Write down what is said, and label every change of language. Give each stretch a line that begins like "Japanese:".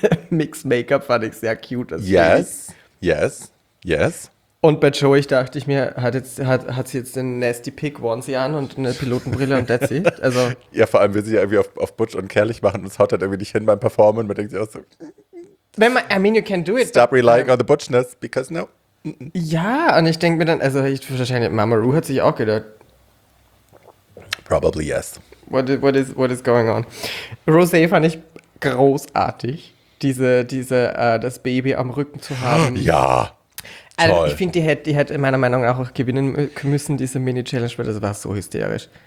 German: Mix Make-up fand ich sehr cute.
English: Yes.
German: Und bei Joey dachte ich mir, hat sie jetzt den Nasty Pick Onesie an und eine Pilotenbrille und
English: that's it.
German: Also. Ja, vor allem will sie ja irgendwie auf Butch und Kerlich machen und es haut halt irgendwie nicht hin beim Performen. Man denkt sich auch so.
English: You can do it. Stop relying on the Butchness, because no.
German: Ja, und ich denke mir dann, also ich wahrscheinlich, Mama Ru hat sich auch gedacht.
English: Probably yes. What is going on?
German: Rosé fand ich großartig, das Baby am Rücken zu haben. Ja, also toll. Ich finde, die hätte meiner Meinung nach auch gewinnen müssen, diese Mini-Challenge, weil das war so hysterisch.